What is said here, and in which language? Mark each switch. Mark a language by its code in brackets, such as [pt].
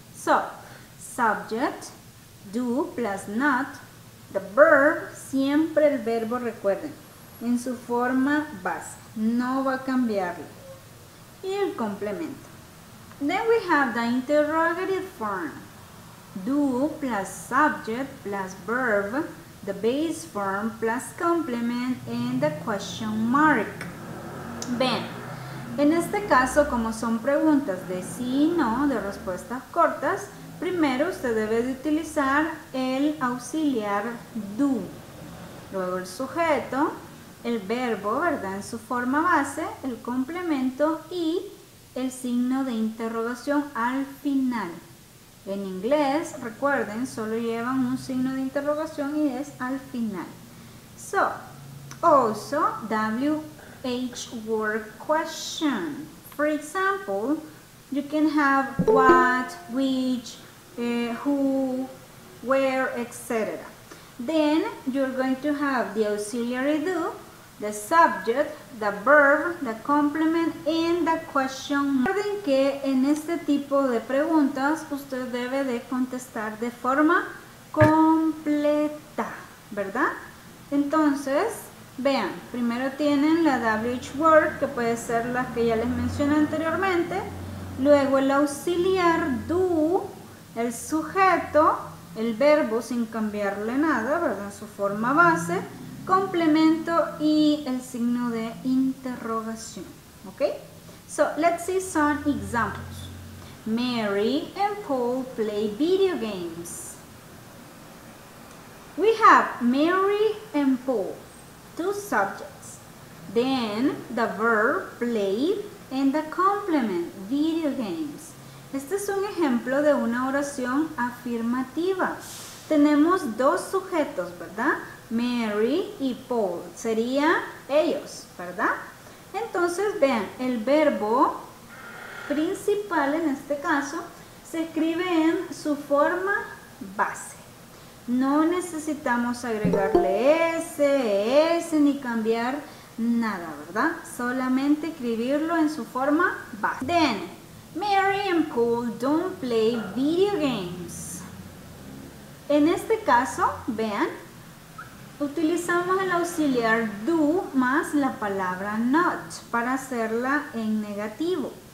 [en] So, subject, do plus not, the verb, [es] siempre el verbo, recuerden, en su forma base, no va a cambiarlo. Y el complemento. [en] Then we have the interrogative form. Do plus subject plus verb, the base form plus complement and the question mark. [es] Ven, en este caso, como son preguntas de sí y no, de respuestas cortas, primero usted debe de utilizar el auxiliar do, luego el sujeto, el verbo, ¿verdad?, en su forma base, el complemento y el signo de interrogación al final. En inglés, recuerden, solo llevan un signo de interrogación y es al final. [en] So, also, WH word question. For example, you can have what, which, who, where, etc. Then, you're going to have the auxiliary do the subject, the verb, the complement, and the question. [es] Recuerden que en este tipo de preguntas usted debe de contestar de forma completa, ¿verdad? Entonces, vean, primero tienen la WH word, que puede ser la que ya les mencioné anteriormente. Luego el auxiliar, do, el sujeto, el verbo sin cambiarle nada, ¿verdad? En su forma base, complemento y el signo de interrogación, ¿ok? [en] So, let's see some examples. Mary and Paul play video games. We have Mary and Paul, two subjects. Then, the verb play and the complement, video games. [es] Este es un ejemplo de una oración afirmativa. Tenemos dos sujetos, ¿verdad? Mary y Paul. Sería ellos, ¿verdad? Entonces, vean, el verbo principal en este caso se escribe en su forma base. No necesitamos agregarle S, S, ni cambiar nada, ¿verdad? Solamente escribirlo en su forma base. [en] Then, Mary and Paul don't play video games. [es] En este caso, vean, utilizamos el auxiliar do más la palabra not para hacerla en negativo.